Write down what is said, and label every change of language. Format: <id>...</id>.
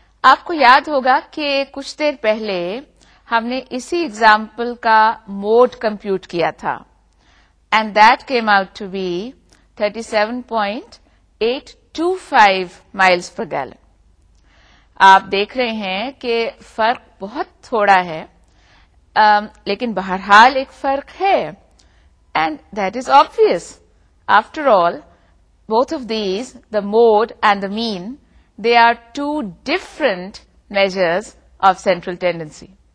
<ur>آپ کو یاد ہوگا کہ کچھ دیر پہلے ہم نے اسی example کا mode compute کیا تھا.</ur> <en>And that came out to be 37.825 miles per gallon.</en> <ur>آپ دیکھ رہے ہیں کہ فرق بہت تھوڑا ہے لیکن بہرحال ایک فرق ہے</ur> <en>and that is obvious after all both of these the mode and the mean they are two different measures of central tendency</en>